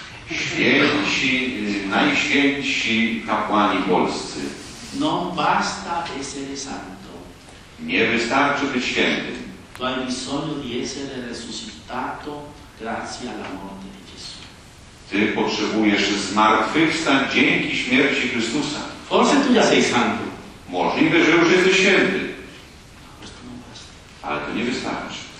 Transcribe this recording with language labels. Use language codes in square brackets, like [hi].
[pl] Święci, najświętsi kapłani polscy. [it] Non basta essere santi. [pl] Nie wystarczy być świętym. [it] Tu hai bisogno di essere resuscitato grazie alla morte di Gesù. [pl] Ty potrzebujesz zmartwychwstań dzięki śmierci Chrystusa. [it] Forse tu ja sei santo. [pl] Możliwe, że już jesteś święty. Ale to nie wystarczy.